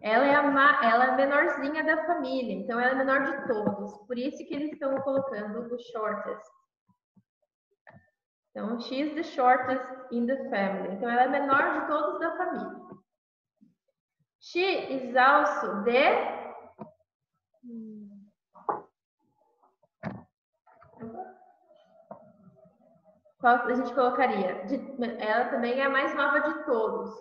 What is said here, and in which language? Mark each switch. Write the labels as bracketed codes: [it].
[pt] Ela é a menorzinha da família, então ela é a menor de todos. Por isso que eles estão colocando o shortest. Então, [en] she is the shortest in the family. [pt] Então, ela é a menor de todos da família. [en] She is also the Hmm. [pt] Qual a gente colocaria? Ela também é a mais nova de todos.